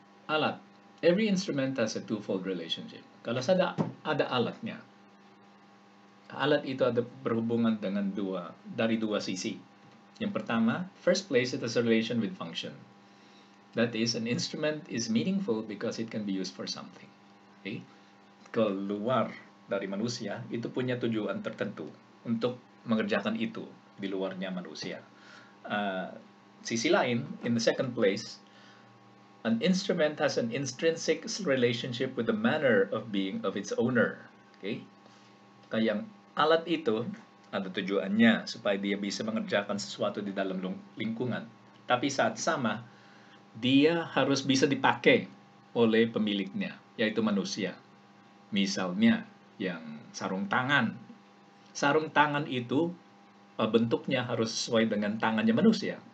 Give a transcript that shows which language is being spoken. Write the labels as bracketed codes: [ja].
[id] Alat. [en] Every instrument has a twofold relationship. [id] Kalau ada alatnya, alat itu ada berhubungan dengan dua sisi. Yang pertama, [en] first place it has a relation with function. That is, an instrument is meaningful because it can be used for something. Okay? [id] Keluar dari manusia, itu punya tujuan tertentu untuk mengerjakan itu di luarnya manusia. Sisi lain, [en] in the second place, an instrument has an intrinsic relationship with the manner of being of its owner. Okay? [id] Kaya alat itu ada tujuannya supaya dia bisa mengerjakan sesuatu di dalam lingkungan. Tapi saat sama, dia harus bisa dipakai oleh pemiliknya, yaitu manusia. Misalnya, yang sarung tangan. Sarung tangan itu bentuknya harus sesuai dengan tangannya manusia.